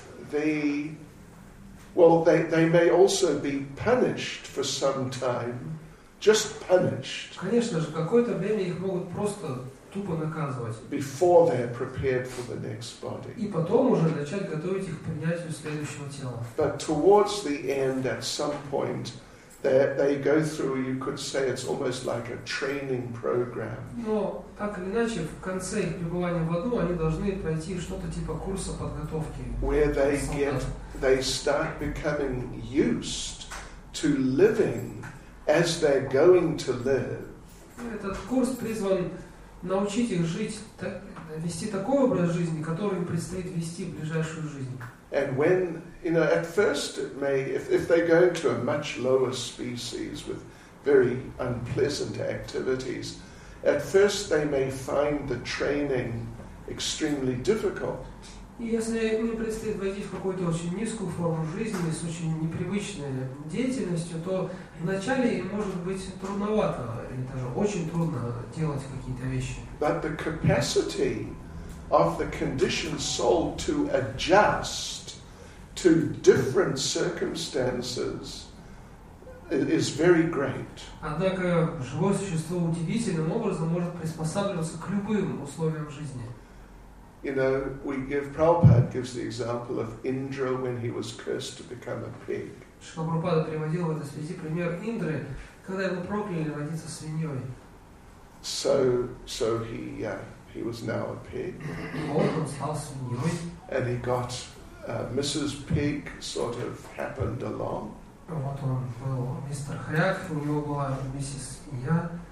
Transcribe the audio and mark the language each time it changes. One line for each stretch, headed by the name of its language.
English: They may also be punished for some time, just punished.
Russian: Конечно же, какое-то время их могут просто тупо наказывать.
English: Before they're prepared for the next body.
Russian: И потом уже начать готовить их к принятию следующего тела.
English: But towards the end, at some point, they go through. You could say it's almost like a training program.
Russian: Но так или иначе, в конце их пребывания в аду они должны пройти что-то типа курса подготовки.
English: Where they get they start becoming used to living as they're going to live.
Russian: Этот курс призван научить их жить, вести такой образ жизни, который им предстоит вести в ближайшую жизнь.
English: And when, you know, at first it may, if they go into a much lower species with very unpleasant activities, at first they may find the training extremely difficult.
Russian: Если мне предстоит войти в какую-то очень низкую форму жизни с очень непривычной деятельностью, то вначале может быть трудновато, или даже очень трудно делать какие-то вещи.
English: But the capacity of the conditioned soul to adjust to different circumstances is very great.
Russian: Однако живое существо удивительным образом может приспосабливаться к любым условиям жизни.
English: You know, Prabhupada gives the example of Indra when he was cursed to become a pig.
Russian: Шрила Прабхупада приводил в этой связи пример Индры, когда его прокляли родиться свиньей.
English: So he was now a pig.
Russian: Он стал свиньей.
English: And he got Mrs. Pig sort of happened along.
Russian: Вот он был мистер Хряк, у него была миссис Я.